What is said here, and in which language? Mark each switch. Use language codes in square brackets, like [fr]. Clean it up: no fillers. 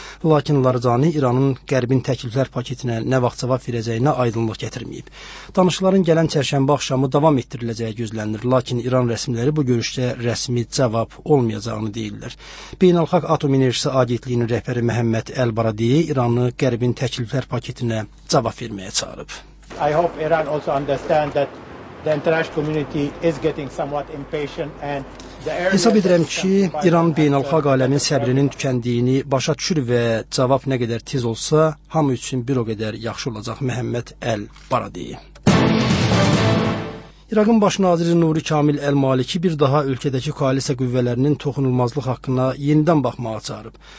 [az] Lakin Larzani İranın qərbin təkliflər paketinə nə vaxt cavab verəcəyinə aydınlıq gətirməyib. Danışıqların gələn çərşənbə axşamı davam etdiriləcəyi gözlənilir. Lakin İran rəsmiləri bu görüşdə rəsmi cavab olmayacağını deyirlər. Beynəlxalq Atom Enerjisi Agentliyinin rəhbəri Məhəmməd Əlbaradi İranı qərbin təkliflər paketinə cavab verməyə çağırıb. [en] I hope Iran also understand that the international community is getting somewhat impatient and [az] Hesab edirəm ki, İran beynəlxalq aləmin səbrinin tükəndiyini başa düşür və cavab nə qədər tez olsa, hamı üçün bir o qədər yaxşı olacaq Məhəmməd Əl-Baradi. İraqın baş naziri Nuri Kamil Əl-Maliki bir daha ölkədəki koalisiya qüvvələrinin toxunulmazlıq haqqına yenidən baxmağa çağırıb.